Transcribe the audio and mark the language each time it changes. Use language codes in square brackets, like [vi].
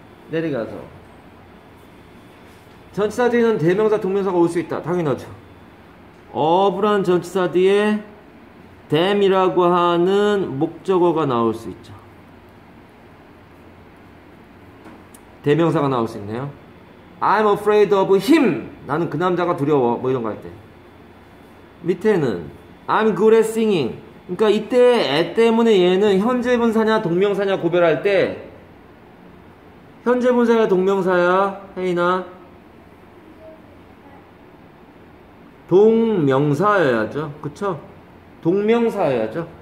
[ko] 내려가서 전치사 뒤에는 대명사, 동명사가 올 수 있다. 당연하죠. 어브란 전치사 뒤에 댐이라고 하는 목적어가 나올 수 있죠. 대명사가 나올 수 있네요. [en] I'm afraid of him. [ko] 나는 그 남자가 두려워. 뭐 이런 거 할 때. 밑에는 [en] I'm good at singing. [ko] 그러니까 이때 애 때문에 얘는 현재분사냐 동명사냐 구별할 때, 현재분사야 동명사야 혜인아? 동명사여야죠. 그쵸? 동명사여야죠.